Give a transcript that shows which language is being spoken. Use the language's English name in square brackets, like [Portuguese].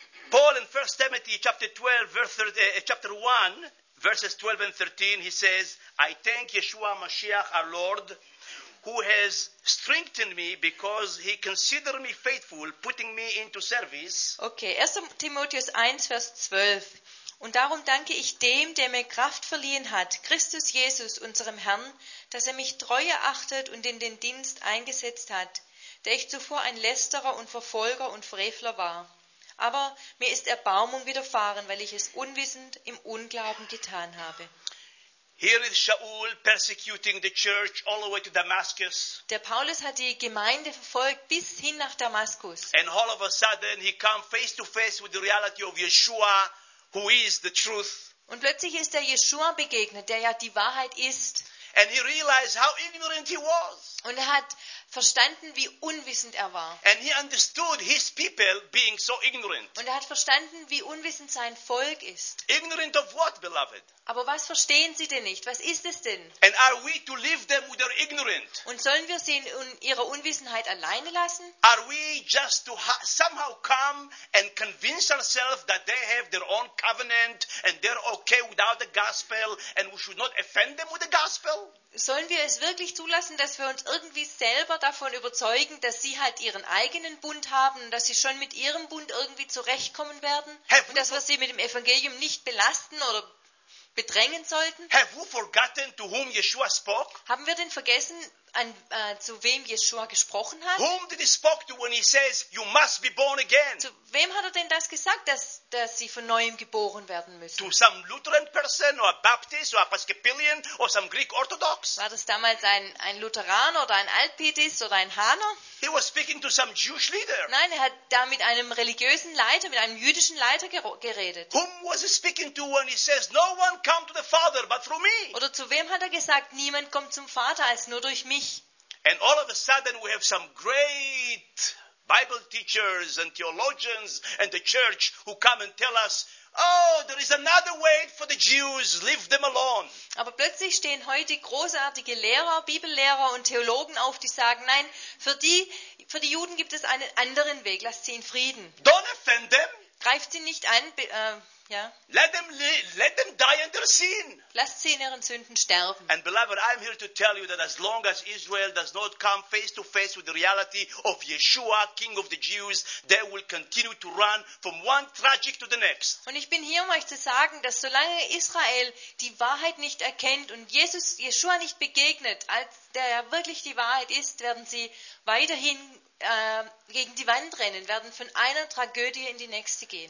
[English] Paul in 1 Timothy chapter 1, verses 12 and 13, he says, "I thank Yeshua Mashiach, our Lord, who has strengthened me because he considered me faithful, putting me into service." [German] Okay, 1. Timotheus 1, Vers 12. Und darum danke ich dem, der mir Kraft verliehen hat, Christus Jesus, unserem Herrn, dass er mich treu erachtet und in den Dienst eingesetzt hat, der ich zuvor ein Lästerer und Verfolger und Frevler war. Aber mir ist Erbarmung widerfahren, weil ich es unwissend im Unglauben getan habe. [English] Here is Shaul persecuting the church all the way to Damascus. [German] Der Paulus hat die Gemeinde verfolgt bis hin nach Damaskus. [English] And all of a sudden he comes face to face with the reality of Yeshua, who is the truth. [German] Und plötzlich ist er Yeshua begegnet, der ja die Wahrheit ist. [English] And he realized how ignorant he was. [German] Und er hat verstanden, wie unwissend er war. [English] And he understood his people being so ignorant. [German] Und er hat verstanden, wie unwissend sein Volk ist. [English] Ignorant of what, beloved? [German] Aber was verstehen sie denn nicht? Was ist es denn? [English] And are we to leave them with their ignorance? [German] Und sollen wir sie in ihrer Unwissenheit alleine lassen? [English] Are we just to somehow come and convince ourselves that they have their own covenant and they're okay without the gospel and we should not offend them with the gospel? [German] Sollen wir es wirklich zulassen, dass wir uns irgendwie selber davon überzeugen, dass sie halt ihren eigenen Bund haben und dass sie schon mit ihrem Bund irgendwie zurechtkommen werden und dass wir sie mit dem Evangelium nicht belasten oder bedrängen sollten? [English] Have we forgotten to whom Yeshua spoke? [German] Haben wir denn vergessen, zu wem Yeshua gesprochen hat? [English] Whom did he speak to when he says you must be born again? [German] Zu wem hat er denn das gesagt, dass sie von neuem geboren werden müssen? [English] To some Lutheran person or a Baptist or a Episcopalian or some Greek Orthodox? [German] War das damals ein Lutheraner oder ein Altpietist oder ein Haner? [English] He was speaking to some Jewish leader. [German] Nein, er hat da mit einem religiösen Leiter, mit einem jüdischen Leiter geredet. [English] Whom was he speaking to when he says no one come to the Father but through me? [German] Oder zu wem hat er gesagt, niemand kommt zum Vater als nur durch mich? [English] And all of a sudden we have some great Bible teachers and theologians and the church who come and tell us, oh, there is another way for the Jews, leave them alone. [German] Aber plötzlich stehen heute großartige Lehrer, Bibellehrer und Theologen auf, die sagen, nein, für die Juden gibt es einen anderen Weg, lasst sie in Frieden. [English] Don't offend them. [German] Greift sie nicht an, Ja? [English] Let them die in their sin. [German] Lasst sie in ihren Sünden sterben. [English] And beloved, I'm here to tell you that as long as Israel does not come face to face with the reality of Yeshua, King of the Jews, they will continue to run from one tragic to the next. [German] Und ich bin hier, um euch zu sagen, dass solange Israel die Wahrheit nicht erkennt und Jesus Yeshua nicht begegnet, als der ja wirklich die Wahrheit ist, werden sie weiterhin gegen die Wand rennen, werden von einer Tragödie in die nächste gehen.